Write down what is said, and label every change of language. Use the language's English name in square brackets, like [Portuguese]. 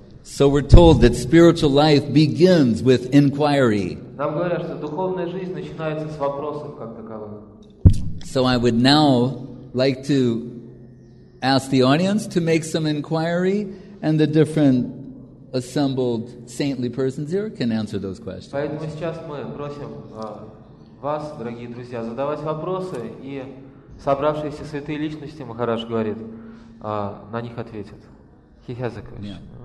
[English] So we're told that spiritual life begins with inquiry. [Russian] Нам говорят, что духовная жизнь начинается с вопросов как таковых. [English] So I would now like to ask the audience to make some inquiry, and the different assembled saintly persons here can answer those questions. [Russian] Поэтому сейчас мы просим вас, дорогие друзья, задавать вопросы и собравшиеся святые личности, Махарадж говорит, на них ответят. [English] He has a question. Yeah.